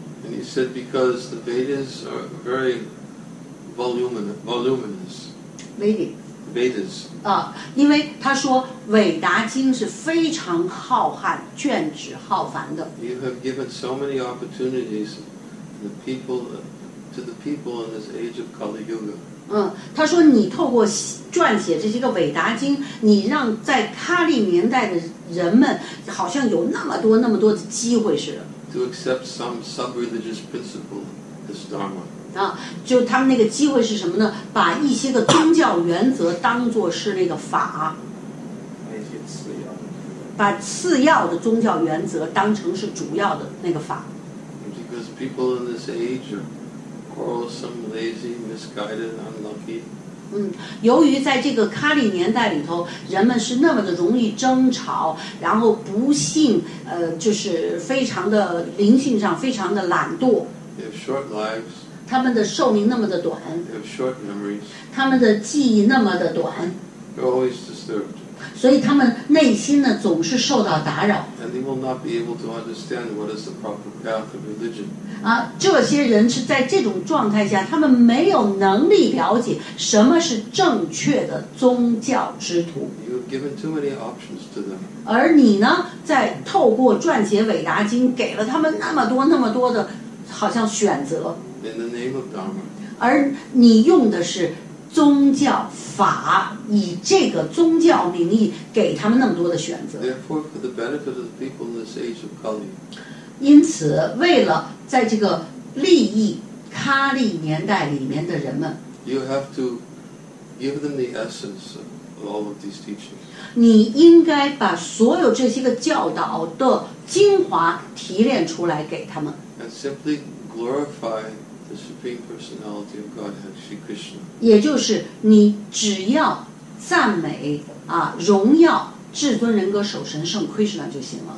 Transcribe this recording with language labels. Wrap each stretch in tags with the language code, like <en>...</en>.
<en>And he said because the Vedas are very voluminous. Vedas.</en> <zh>因为他说韦达经是非常浩瀚卷纸浩繁的。</zh> <en>You have given so many opportunities to the people in this age of Kali Yuga.</en> <zh>他说你透过撰写这些个韦达经，你让在喀利年代的人们好像有那么多那么多的机会似的。</zh> <en>To accept some sub-religious principle as dharma.</en> <zh>就他们那个机会是什么呢？把一些个宗教原则当作是那个法。那些次要。把次要的宗教原则当成是主要的那个法。</zh> <en>Because people in this age are... quarrelsome, lazy, misguided, unlucky.</en> <zh>由于在这个喀利年代里头，人们是那么的容易争吵，然后不幸，就是非常的灵性上非常的懒惰。</zh> <en>They have short lives.</en> <zh>他们的寿命那么的短。</zh> <en>They have short memories.</en> <zh>他们的记忆那么的短。</zh> <en>They're always disturbed.</en> <zh>所以他们内心呢总是受到打扰。</zh> <en>And they will not be able to understand what is the proper path of religion.</en> <zh>这些人是在这种状态下，他们没有能力了解什么是正确的宗教之途。</zh> <en>You've given too many options to them.</en> <zh>而你呢，在透过撰写韦达经，给了他们那么多那么多的，好像选择。</zh> <en>In the name of Dharma.</en> <zh>而你用的是宗教法，以这个宗教名义给他们那么多的选择。</zh> <en>Therefore, for the benefit of the people in this age of Kali.</en> <zh>因此为了在这个利益喀利年代里面的人们</zh> <en>You have to give them the essence of all of these teachings.</en> <zh>你应该把所有这些个教导的精华提炼出来给他们</zh> <en>And simply glorify the Supreme Personality of Godhead, Shri Krishna.</en> <zh>也就是你只要赞美荣耀至尊人格守神圣 Krishna 就行了</zh>